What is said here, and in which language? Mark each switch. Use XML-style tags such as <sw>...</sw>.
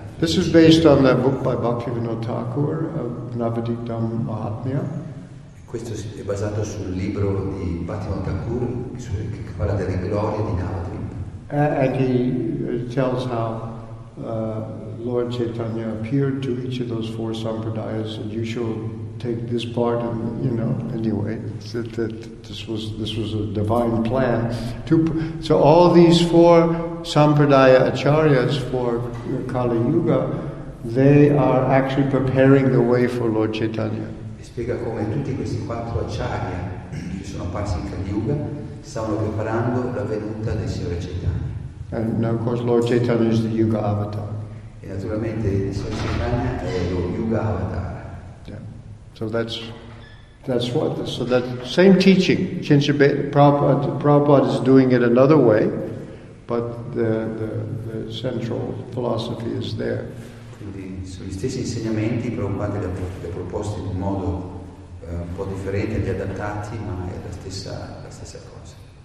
<en>This is based on that book by Bhaktivinoda Thakur, Navadvipam Mahatmya.</en> <it>Questo è basato sul libro di Bhaktivinoda Thakur, che parla delle glorie di Navadvipa.</it> <en>And he tells how Lord Chaitanya appeared to each of those four sampradayas, and you shall take this part, and you know, anyway, that this was a divine plan. So all these four sampradaya acharyas for Kali Yuga, they are actually preparing the way for Lord Chaitanya.</en> <it>spiega come tutti questi quattro acciaria che sono apparsi in Kali Yuga stavano preparando la venuta del Signore Chaitanya.</it> <en>And now of course Lord Chaitanya is the Yuga Avatar.</en> <it>E naturalmente il Signore Chaitanya è lo Yuga Avatar.</it> <en>Yeah. So that same teaching, Prabhupada is doing it another way, but the central philosophy is there.</en> <it>Quindi sugli stessi insegnamenti, Prabhupada li ha proposti in un modo un po' differente, li adattati, ma è la stessa cosa.</it>